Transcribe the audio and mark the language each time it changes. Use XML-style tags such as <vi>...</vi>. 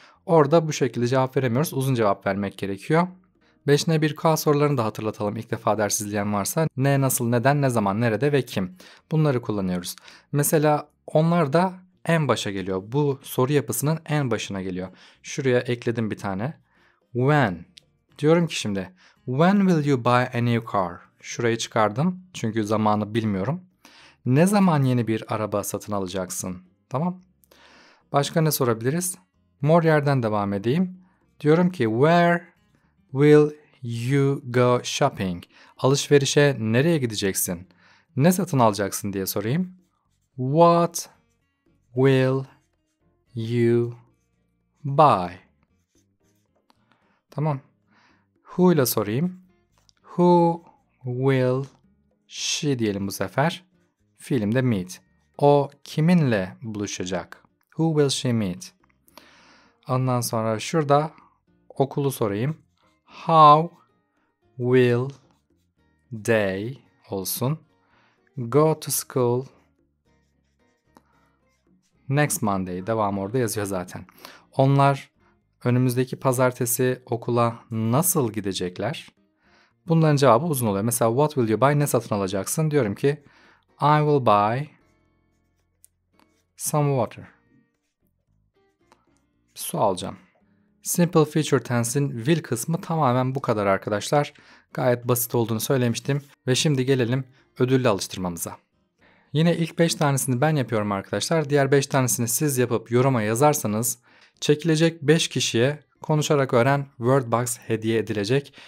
<tr>Orada bu şekilde cevap veremiyoruz. Uzun cevap vermek gerekiyor. 5N1K sorularını da hatırlatalım ilk defa ders izleyen varsa. Ne, nasıl, neden, ne zaman, nerede ve kim? Bunları kullanıyoruz. Mesela onlar da en başa geliyor. Bu soru yapısının en başına geliyor. Şuraya ekledim bir tane. When. Diyorum ki şimdi.</tr> <en>When will you buy a new car?</en> <tr>Şurayı çıkardım. Çünkü zamanı bilmiyorum. Ne zaman yeni bir araba satın alacaksın? Tamam. Başka ne sorabiliriz? More yerden devam edeyim. Diyorum ki</tr> <en>where will you go shopping?</en> <tr>Alışverişe nereye gideceksin? Ne satın alacaksın diye sorayım.</tr> <en>What will you buy?</en> <tr>Tamam.</tr> <en>Who</en> <tr>ile sorayım.</tr> <en>Who will she</en> <tr>diyelim bu sefer. Fiilimde meet. O kiminle buluşacak?</tr> <en>Who will she meet?</en> <tr>Ondan sonra şurada okulu sorayım.</tr> <en>How will they</en> <tr>olsun?</tr> <en>Go to school next Monday.</en> <tr>Devamı orada yazıyor zaten. Onlar önümüzdeki pazartesi okula nasıl gidecekler? Bunların cevabı uzun oluyor. Mesela</tr> <en>what will you buy?</en> <tr>Ne satın alacaksın? Diyorum ki</tr> <en>I will buy some water.</en> <tr>Su alacağım. Simple future tense'in will kısmı tamamen bu kadar arkadaşlar. Gayet basit olduğunu söylemiştim. Ve şimdi gelelim ödüllü alıştırmamıza. Yine ilk 5 tanesini ben yapıyorum arkadaşlar. Diğer 5 tanesini siz yapıp yoruma yazarsanız çekilecek 5 kişiye konuşarak öğren Wordbox hediye edilecek.</tr>